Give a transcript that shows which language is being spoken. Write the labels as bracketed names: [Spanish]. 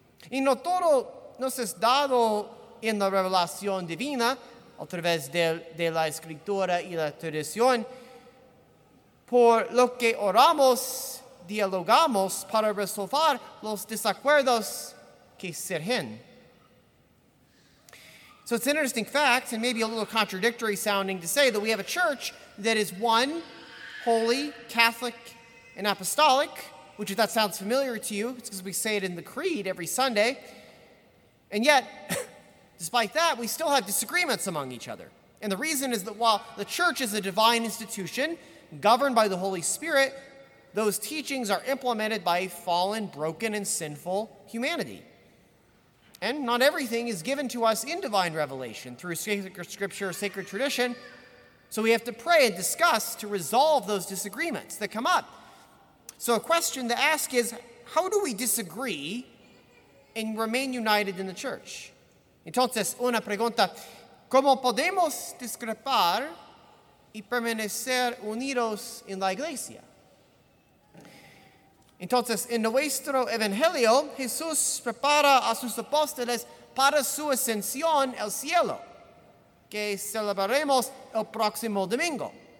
[Spanish] Y no todo nos es dado en la revelación divina a través de la escritura y la tradición, por lo que oramos, dialogamos para resolver los desacuerdos que surgen. [English] So it's an interesting fact, and maybe a little contradictory sounding, to say that we have a church that is one, holy, Catholic, and apostolic, which, if that sounds familiar to you, it's because we say it in the Creed every Sunday. And yet, despite that, we still have disagreements among each other. And the reason is that while the church is a divine institution governed by the Holy Spirit, those teachings are implemented by fallen, broken, and sinful humanity. And not everything is given to us in divine revelation through sacred scripture or sacred tradition. So we have to pray and discuss to resolve those disagreements that come up. So a question to ask is, how do we disagree and remain united in the church? [Spanish] Entonces, una pregunta. ¿Cómo podemos discrepar y permanecer unidos en la iglesia? Entonces, en nuestro Evangelio, Jesús prepara a sus apóstoles para su ascensión al cielo, que celebraremos el próximo domingo.